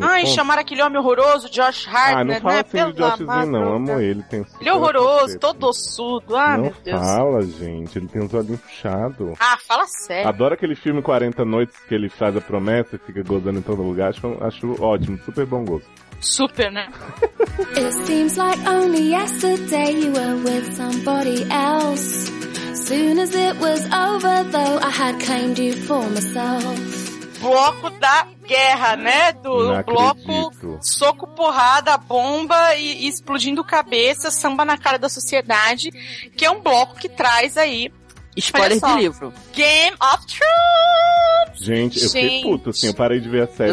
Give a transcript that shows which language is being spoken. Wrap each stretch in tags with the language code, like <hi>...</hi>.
<pt>Ai, chamaram aquele homem horroroso, Josh Hartnett, não fala assim né? De Joshzinho, madruga. Não, amo ele. Tem ele é horroroso, todo ossudo, ah, não meu Deus. Não fala, gente, ele tem os olhinhos puxados. Ah, fala sério. Adoro aquele filme 40 Noites que ele faz a promessa, fica gozando em todo lugar, acho ótimo, super bom gosto. Super, né?</pt> <en>It seems like only yesterday you were with somebody else. Soon as it was over, though, I had claimed you for myself.</en> <pt>Bloco da guerra, né? Do bloco soco, porrada, bomba e explodindo cabeça, samba na cara da sociedade, que é um bloco que traz aí. Spoiler de livro. Game of Thrones! Gente, eu fiquei puto, assim, eu parei de ver a série.</pt>